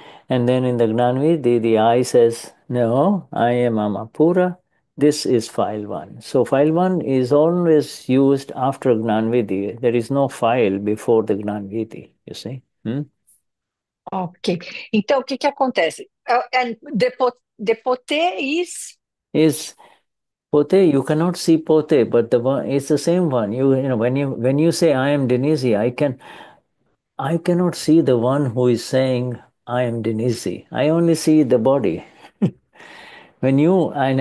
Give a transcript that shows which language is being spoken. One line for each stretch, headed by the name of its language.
English: And then in the Gnanvi, the I says, no, I am Amapura. This is file one. So file one is always used after Gnanvidhi. There is no file before the Gnanvidhi, you see?
Portuguese: Ok, então o que que acontece?
English: And the poté is Is pote? You cannot see pote, but the one it's the same one. You know when you say I am Dinisi, I cannot see the one who is saying I am Dinisi. I only see the body. When you come